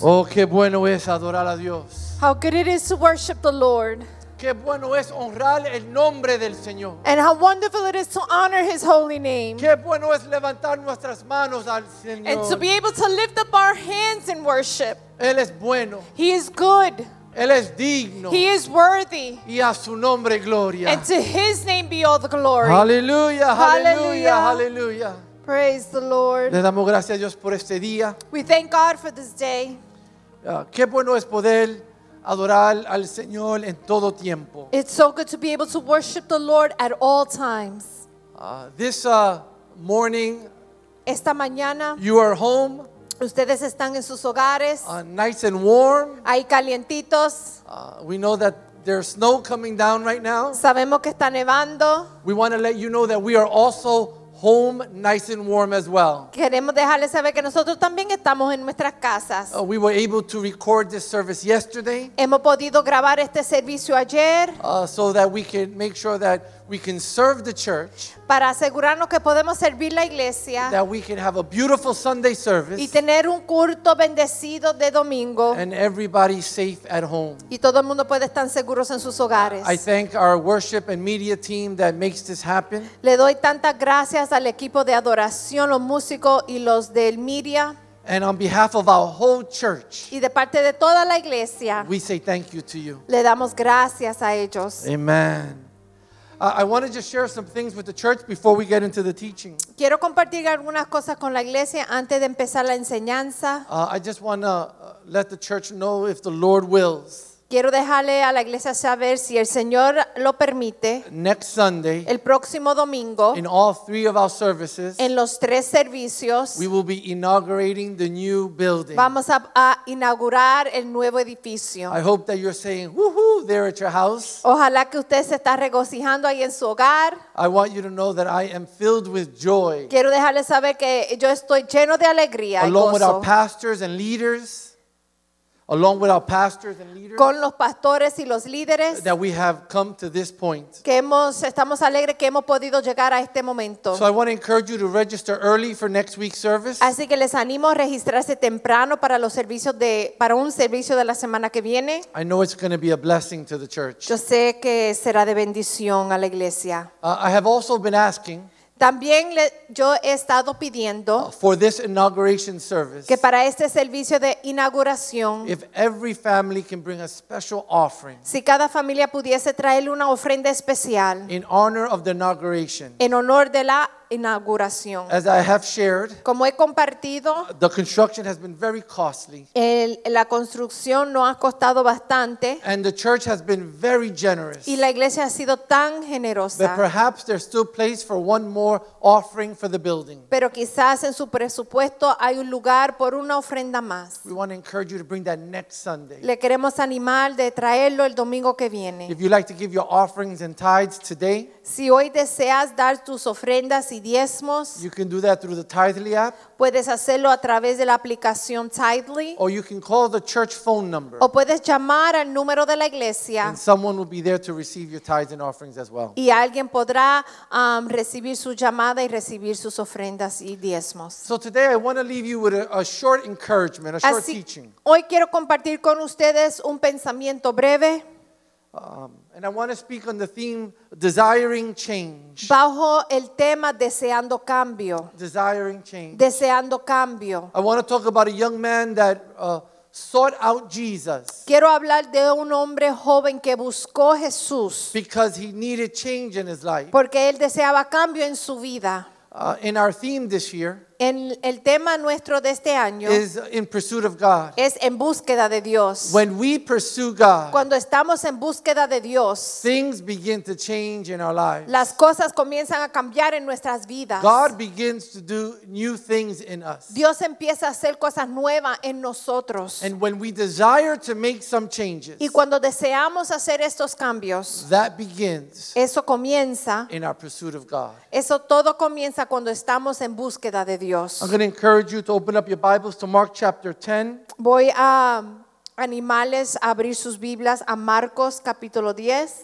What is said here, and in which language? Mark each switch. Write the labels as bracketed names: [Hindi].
[Spanish] Oh, qué bueno es adorar a Dios. [English] How good it is to worship the Lord. [Spanish] Qué bueno es honrar el nombre del Señor. [English] And how wonderful it is to honor His holy name. [Spanish] Qué bueno es levantar nuestras manos al Señor. [English] And to be able to lift up our hands in worship. [Spanish] Él es bueno. [English] He is good. [Spanish] Él es digno. [English] He is worthy. [Spanish] Y a su nombre gloria. [English] And to His name be all the glory. Hallelujah, hallelujah, hallelujah. Praise the Lord. [Spanish] Le damos gracias a Dios por este día. [English] We thank God for this day. [Spanish] Qué bueno es poder adorar al Señor en todo tiempo. [English] It's so good to be able to worship the Lord at all times. This morning, [Spanish] esta mañana, [English] you are home. [Spanish] Ustedes están en sus hogares. [English] Nice and warm. [Spanish] Ahí calientitos. [English] We know that there's snow coming down right now. [Spanish] Sabemos que está nevando. [English] We want to let you know that we are also home, nice and warm as well. [Spanish] Queremos dejarles saber que nosotros también estamos en nuestras casas. [English] We were able to record this service yesterday. [Spanish] Hemos podido grabar este servicio ayer. [English] So that we can make sure that we can serve the church. [Spanish] Para asegurarnos que podemos servir la iglesia. [English] That we can have a beautiful Sunday service. [Spanish] Y tener un culto bendecido de domingo. [English] And everybody safe at home. [Spanish] Y todo el mundo puede estar seguros en sus hogares. [English] I thank our worship and media team that makes this happen. [Spanish] Le doy tantas gracias al equipo de adoración, los músicos y los del media. [English] And on behalf of our whole church. [Spanish] Y de parte de toda la iglesia. [English] We say thank you to you. [Spanish] Le damos gracias a ellos. [English] Amen. I want to just share some things with the church before we get into the teaching. [Spanish] Quiero compartir algunas cosas con la iglesia antes de empezar la enseñanza. [English] I just want to let the church know if the Lord wills. [Spanish] Quiero dejarle a la iglesia saber si el Señor lo permite. [English] Next Sunday. [Spanish] El próximo domingo. [English] In all three of our services. [Spanish] En los tres servicios. [English] We will be inaugurating the new building. [Spanish] Vamos a inaugurar el nuevo edificio. [English] I hope that you're saying woohoo there at your house. [Spanish] Ojalá que usted se está regocijando ahí en su hogar. [English] I want you to know that I am filled with joy. [Spanish] Quiero dejarle saber que yo estoy lleno de alegría y gozo. [English] Along with our pastors and leaders. Along with our pastors and leaders, [Spanish] con los pastores y los líderes, [English] that we have come to this point. [Spanish] Que estamos alegres que hemos podido llegar a este momento. [English] So I want to encourage you to register early for next week's service. [Spanish] Así que les animo a registrarse temprano para los servicios de para un servicio de la semana que viene. [English] I know it's going to be a blessing to the church. [Spanish] Yo sé que será de bendición a la iglesia. [English] I have also been asking. [Spanish] También yo he estado pidiendo [English] for this inauguration service, [Spanish] que para este servicio de inauguración, [English] if every family can bring a special offering, [Spanish] si cada familia pudiese traer una ofrenda especial [English] in honor of the inauguration, [Spanish] en honor de la inauguración. [English] As I have shared, [Spanish] como he compartido, [English] the construction has been very costly. [Spanish] La construcción no ha costado bastante. [English] And the church has been very generous. [Spanish] Y la iglesia ha sido tan generosa. [English] But perhaps there's still place for one more offering for the building. [Spanish] Pero quizás en su presupuesto hay un lugar por una ofrenda más. [English] We want to encourage you to bring that next Sunday. [Spanish] Le queremos animar de traerlo el domingo que viene. [English] If you'd like to give your offerings and tithes today, [Spanish] si hoy deseas dar tus ofrendas y diezmos, [English] you can do that through the Tithely app. [Spanish] Puedes hacerlo a través de la aplicación Tithely. [English] Or you can call the church phone number. [Spanish] O puedes llamar al número de la iglesia. [English] And someone will be there to receive your tithes and offerings as well. [Spanish] Y alguien podrá recibir su llamada y recibir sus ofrendas y diezmos. [English] So today I want to leave you with a short encouragement, a short [Spanish] Así, [English] teaching. [Spanish] Hoy quiero compartir con ustedes un pensamiento breve. [English] And I want to speak on the theme desiring change. [Spanish] Bajo el tema deseando cambio. [English] Desiring change. [Spanish] Deseando cambio. [English] I want to talk about a young man that sought out Jesus. [Spanish] Quiero hablar de un hombre joven que buscó Jesús. [English] Because he needed change in his life. [Spanish] Porque él deseaba cambio en su vida. [English] In our theme this year. [Spanish] En el tema nuestro de este año [English] is in pursuit of God. [Spanish] Es en búsqueda de Dios. [English] When we pursue God, [Spanish] cuando estamos en búsqueda de Dios, [English] things begin to change in our lives. [Spanish] Las cosas comienzan a cambiar en nuestras vidas. [English] God begins to do new things in us. [Spanish] Dios empieza a hacer cosas nuevas en nosotros. [English] And when we desire to make some changes, [Spanish] y cuando deseamos hacer estos cambios, [English] that begins. [Spanish] Eso comienza [English] in our pursuit of God. [Spanish] Eso todo comienza cuando estamos en búsqueda de Dios. [English] I'm going to encourage you to open up your Bibles to Mark chapter 10. [Spanish] Voy a animales a abrir sus Biblias a Marcos capítulo 10.